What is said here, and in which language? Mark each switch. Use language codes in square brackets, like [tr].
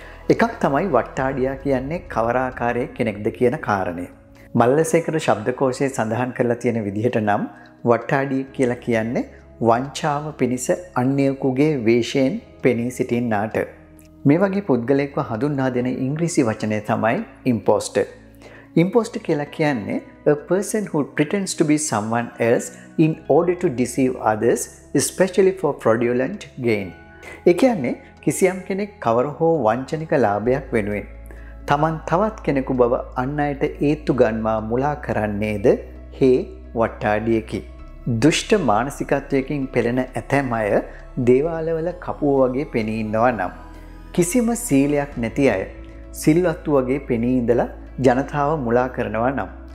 [si] එකක් තමයි වට්ටාඩියා කියන්නේ කවරාකාරයේ කෙනෙක්ද කියන කාරණය. මල්ලසේකර ශබ්දකෝෂයේ සඳහන් කරලා තියෙන විදිහට නම් වට්ටාඩිය කියලා කියන්නේ වංචාව පිණිස අන්‍යයෙකුගේ වේශයෙන් පෙනී සිටින්නාට. මේ වගේ පුද්ගලයෙක්ව හඳුන්වා දෙන ඉංග්‍රීසි වචනය තමයි ඉම්පෝස්ටර්. ඉම්පෝස්ටර් කියලා කියන්නේ [en] a person who pretends to be someone else in order to deceive others, especially for fraudulent gain. [si] ඒ කියන්නේ කිසියම් කෙනෙක් කවර හෝ වංචනික ලාභයක් වෙනුවෙන් තමන් තවත් කෙනෙකු බව අන් අයට ඒත්තු ගන්වා මුලා කරන්නේද හේ වට්ටාඩියකි. දුෂ්ට මානසිකත්වයකින් පෙළෙන ඇතැම් අය දේවාලවල කපුව වගේ පෙනී ඉන්නවා නම් කිසිම සීලයක් නැති අය සිල්වත්තු වගේ පෙනී ඉඳලා ජනතාව මුලා කරනවා නම්